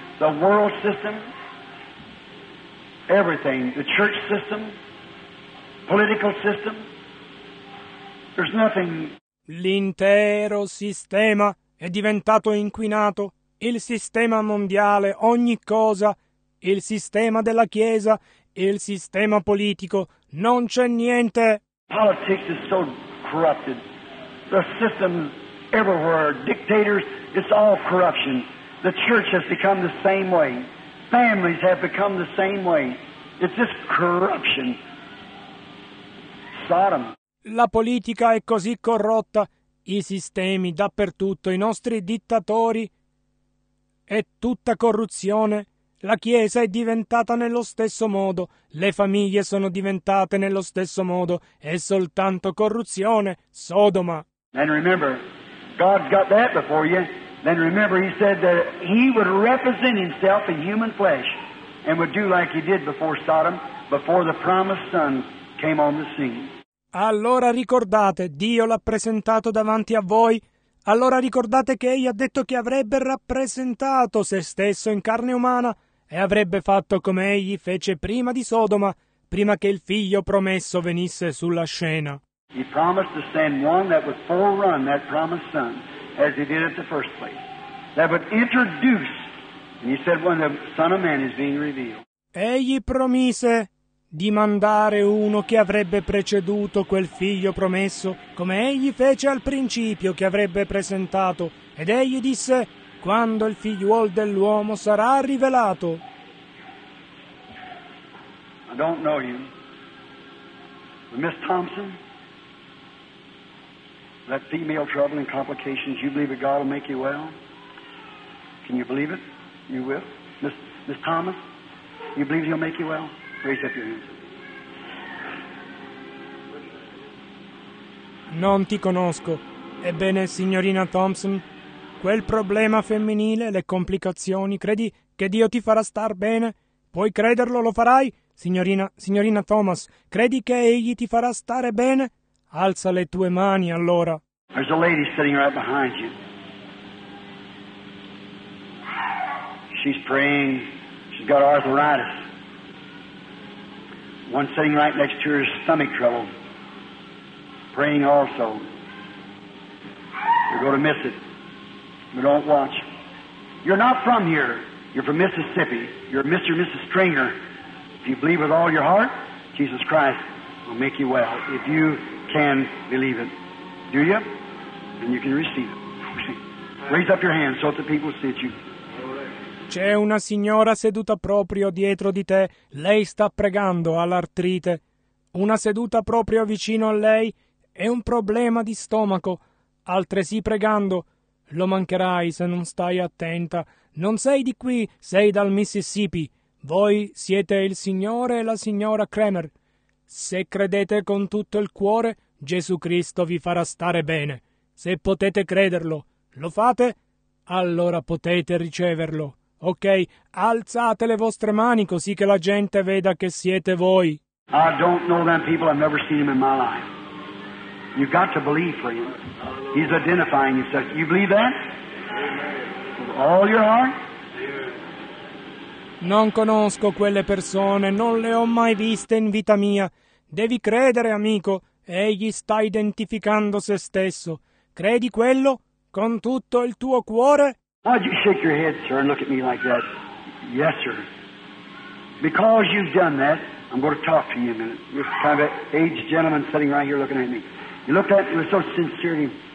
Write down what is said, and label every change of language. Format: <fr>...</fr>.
<en>The world system, everything, the church system, political system, there's nothing.</en> <it>L'intero sistema è diventato inquinato. Il sistema mondiale, ogni cosa, il sistema della Chiesa, il sistema politico, non c'è niente.</it> <en>Politics is so corrupted. The systems everywhere, dictators, it's all corruption. The church has become the same way. Families have become the same way. It's just corruption. Sodom.</en> <it>La politica è così corrotta, i sistemi dappertutto, i nostri dittatori, è tutta corruzione. La Chiesa è diventata nello stesso modo, le famiglie sono diventate nello stesso modo, è soltanto corruzione, Sodoma.</it> <en>And remember, God's got that before you. Then remember, he said that he would represent himself in human flesh and would do like he did before Sodom, before the promised son came on the scene.</en> <it>Allora ricordate, Dio l'ha presentato davanti a voi. Allora ricordate che egli ha detto che avrebbe rappresentato se stesso in carne umana e avrebbe fatto come egli fece prima di Sodoma, prima che il figlio promesso venisse sulla scena.</it> <en>He promised to send one that would forerun that promised son, as he did at the first place. That would introduce, and he said, when the Son of Man is being revealed.</en> <it>Egli promise di mandare uno che avrebbe preceduto quel figlio promesso, come egli fece al principio che avrebbe presentato. Ed egli disse, quando il figliuol dell'uomo sarà rivelato.</it> <en>I don't know you. But Miss Thompson, that female trouble and complications, you believe that God will make you well? Can you believe it? You will? Miss Thomas, you believe he'll make you well? Raise up your hands.</en> <it>Non ti conosco. Ebbene, signorina Thompson, quel problema femminile, le complicazioni, credi che Dio ti farà star bene? Puoi crederlo, lo farai? Signorina Thomas, credi che egli ti farà stare bene? Alza le tue mani, allora.</it> <en>There's a lady sitting right behind you. She's praying. She's got arthritis. One sitting right next to her is stomach trouble, praying also. You're going to miss it. You don't watch. You're not from here. You're from Mississippi. You're Mr. and Mrs. Stringer. If you believe with all your heart, Jesus Christ will make you well. If you can believe it, do you? Then you can receive it. Raise up your hand so that the people see you.</en> <it>C'è una signora seduta proprio dietro di te. Lei sta pregando all'artrite. Una seduta proprio vicino a lei è un problema di stomaco. Altresì pregando, lo mancherai se non stai attenta. Non sei di qui, sei dal Mississippi. Voi siete il signore e la signora Kramer. Se credete con tutto il cuore, Gesù Cristo vi farà stare bene. Se potete crederlo, lo fate, allora potete riceverlo. Ok, alzate le vostre mani così che la gente veda che siete voi.</it> <en>I don't know them people, I've never seen them in my life. You've got to believe for him. He's identifying himself. You believe that? With all your heart?</en> <it>Non conosco quelle persone, non le ho mai viste in vita mia. Devi credere, amico, egli sta identificando se stesso. Credi quello con tutto il tuo cuore?</it> <en>Why'd you shake your head, sir, and look at me like that? Yes, sir. Because you've done that, I'm going to talk to you in a minute. You're kind of an aged gentleman sitting right here looking at me. He looked at me with so sincerity.</en>